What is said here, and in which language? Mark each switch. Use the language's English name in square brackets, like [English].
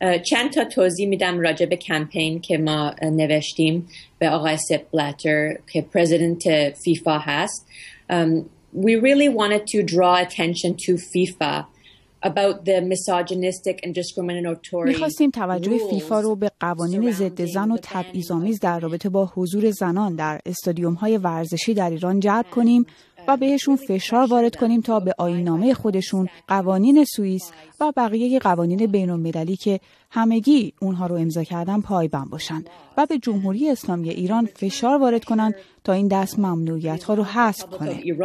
[Persian] چند تا توضیح میدم راجع به کمپین که ما نوشتیم به آقای سپ بلاتر که پرزیدنت فیفا هست. [English] We really wanted to draw attention to FIFA about the misogynistic and discriminatory. [Persian] می‌خواستیم توجه فیفا رو به قوانین ضد زن و تبعیض‌آمیز در رابطه با حضور زنان در استادیوم‌های ورزشی در ایران جلب کنیم و بهشون فشار وارد کنیم تا به آیین‌نامه خودشون، قوانین سوئیس و بقیه قوانین بین‌المللی که همگی اونها رو امضا کردن پایبند باشن و به جمهوری اسلامی ایران فشار وارد کنن تا این دست ممنوعیت‌ها رو حذف کنه.